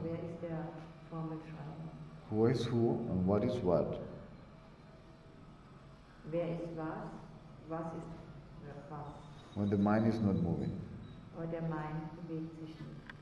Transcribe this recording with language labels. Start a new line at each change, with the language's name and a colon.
German: Wer ist der Formelschreiber?
English: Who is who and what is what?
German: Wer ist was? Was ist was?
English: When the mind is not moving. Or
German: der Mind bewegt sich nicht.